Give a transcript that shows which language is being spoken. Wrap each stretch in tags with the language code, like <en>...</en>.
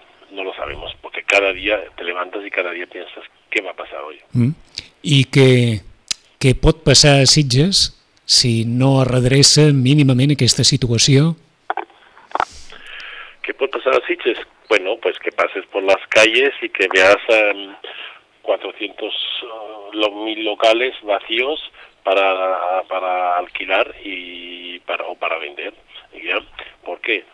<es>no lo sabemos, porque cada día te levantas y cada día piensas qué va a pasar hoy.</es> <ca>¿Y qué pot passar a Sitges si no redreça mínimament aquesta situació? ¿Qué pot passar? a Sitges?</ca> <es>Bueno, pues que pases por las calles y que veas 400 mil locales vacíos para alquilar y para vender, ¿ya? ¿Por qué?</es>